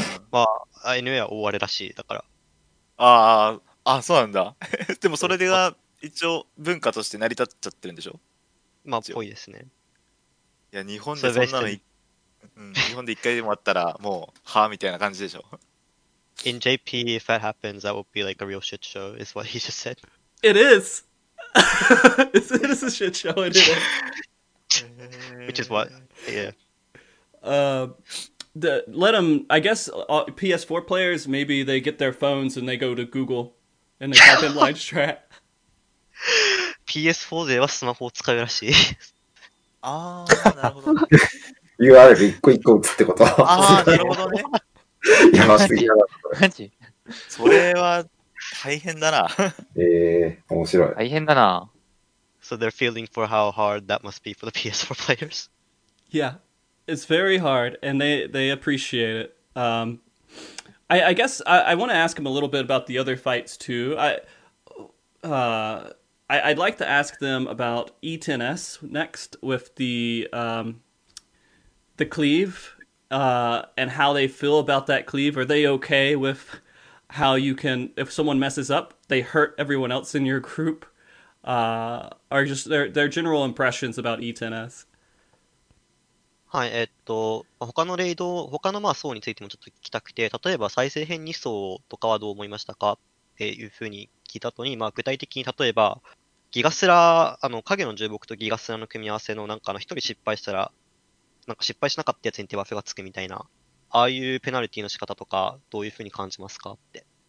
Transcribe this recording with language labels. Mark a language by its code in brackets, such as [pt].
[ja] まあ、NA は大荒れらしい、だから。ああ、そうなんだ。でもそれでが一応文化として成り立っちゃってるんでしょ？まあ、っぽいですね。いや、日本でそんなの、日本で一回でもあったらもう、はぁみたいな感じでしょ。 [en] In JP, if that happens, that would be like a real shit show, is what he just said. It is! it is a shit show, it is. Which is what? Yeah. Let them, I guess, PS4 players, maybe they get their phones and they go to Google and they type in live chat. [ja] PS4 ではスマホを使うらしい。あー、なるほど。 URL 一個一個打つってこと。あー、なるほどね。やばすぎやばマジそれは大変だな。面白い。大変だな。 [en] So they're feeling for how hard that must be for the PS4 players. Yeah, it's very hard and they appreciate it. I guess I want to ask them a little bit about the other fights too. I'd like to ask them about E10S next with the cleave. And how they feel about that cleave. Are they okay with how you can, if someone messes up, they hurt everyone else in your group? Are just their general impressions about E10S? [ja] はい、他のレイド、他のまあ層についてもちょっと聞きたくて、例えば再生編2層とかはどう思いましたかっていうふうに聞いた後に、まあ具体的に例えば、ギガスラ、あの影の重木とギガスラの組み合わせのなんかの一人失敗したら、なんか失敗しなかったやつに手バフがつくみたいな、ああいうペナルティの仕方とか、どういうふうに感じますかって。